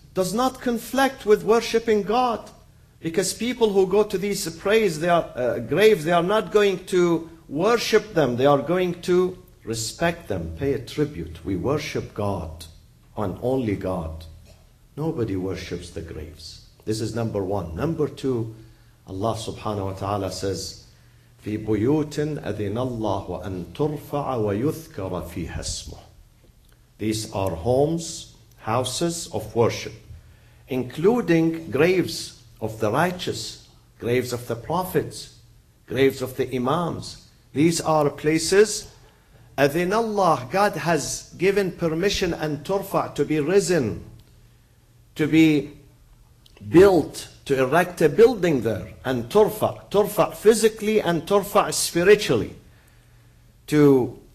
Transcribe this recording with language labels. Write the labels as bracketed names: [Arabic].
[English] Does not conflict with worshiping God. Because people who go to these graves, they are not going to worship them. They are going to respect them, pay a tribute. We worship God and only God. Nobody worships the graves. This is number one. Number two, Allah subhanahu wa ta'ala says, [Arabic] في بيوت أذن الله أن ترفع ويذكر فيها اسمه. [English] These are homes, houses of worship, including graves of the righteous, graves of the prophets, graves of the imams. These are places, [Arabic] أذن الله, [English] God has given permission, [Arabic] أن ترفع, [English] to be risen, to be built, to erect a building there, and turfa physically and turfa spiritually, to